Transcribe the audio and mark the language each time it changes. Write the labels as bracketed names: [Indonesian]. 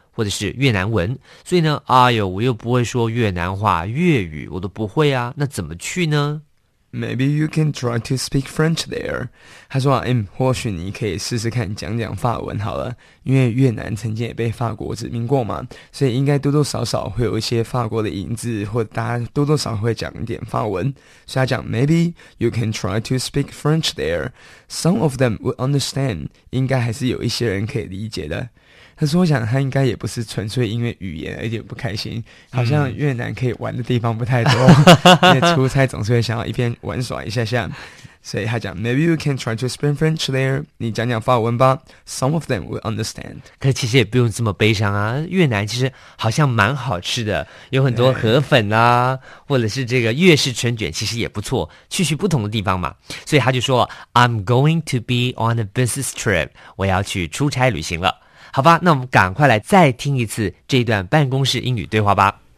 [Chinese] 或者是越南文，所以呢，哎呦，我又不会说越南话，粤语我都不会啊，那怎么去呢？ [English] Maybe you can try to speak French there. [Chinese] 他说、啊、或许你可以试试看讲讲法文好了，因为越南曾经也被法国殖民过嘛，所以应该多多少少会有一些法国的影子，或大家多多少会讲一点法文。所以他讲 [English] Maybe you can try to speak French there. Some of them would understand. [Chinese] 应该还是有一些人可以理解的。可是我想他应该也不是纯粹因为语言而且不开心，好像越南可以玩的地方不太多、因为出差总是会想要一边玩耍一下下，所以他讲 [English] Maybe you can try to speak French there. [Chinese] 你讲讲法文吧， [English] Some of them will understand. [Chinese] 可是其实也不用这么悲伤啊，越南其实好像蛮好吃的，有很多河粉啊，或者是这个越式春卷其实也不错，去去不同的地方嘛。所以他就说 [English] I'm going to be on a business trip. [Chinese] 我要去出差旅行了。好吧，那我们赶快来再听一次这一段办公室英语对话吧。